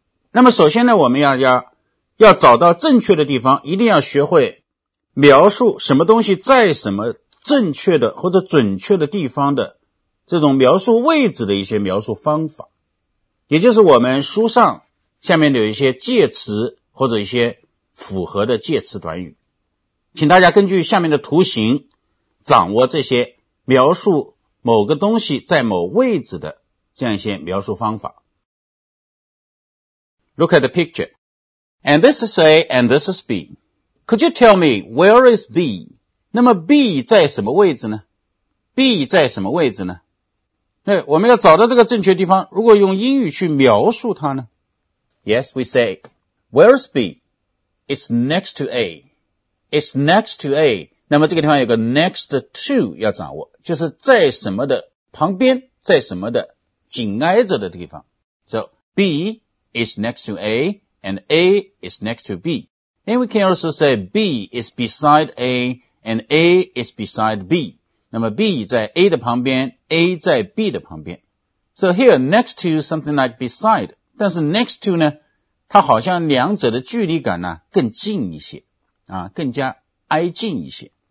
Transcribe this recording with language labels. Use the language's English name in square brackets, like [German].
[Chinese] 那么首先呢我们要找到正确的地方，一定要学会描述什么东西在什么正确的或者准确的地方的这种描述位置的一些描述方法，也就是我们书上下面有一些介词或者一些符合的介词短语，请大家根据下面的图形掌握这些描述某个东西在某位置的这样一些描述方法。 [English] Look at the picture. And this is A, and this is B. Could you tell me where is B? [Chinese] 那么 B 在什么位置呢？ B 在什么位置呢？那我们要找到这个正确地方，如果用英语去描述它呢？ [English] Yes, we say, where is B? It's next to A. It's next to A. [Chinese] 那么这个地方有个 next to 要掌握，就是在什么的旁边，在什么的紧挨着的地方。 [English] So, B is next to A. And A is next to B. And we can also say B is beside A, and A is beside B. [Chinese] 那么 B 在 A 的旁边， A 在 B 的旁边。 [English] So here, next to something like beside. [Chinese] 但是 next to 呢，它好像两者的距离感呢更近一些，啊，更加挨近一些。